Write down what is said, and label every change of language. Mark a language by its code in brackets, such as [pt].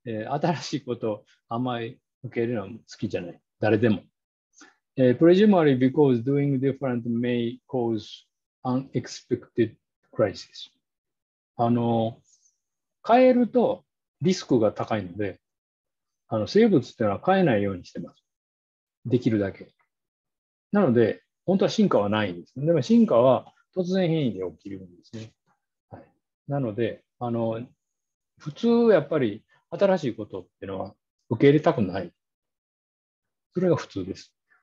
[ja] 新しいことをあまり受け入れるのも好きじゃない。誰でも。 [en] Presumably because doing different may cause unexpected crisis. [ja] 変えるとリスクが高いので、生物っていうのは変えないようにしてます。できるだけ。なので、本当は進化はないんです。でも進化は突然変異で起きるんですね。はい、なので、普通やっぱり新しいことっていうのは受け入れたくない。それが普通です。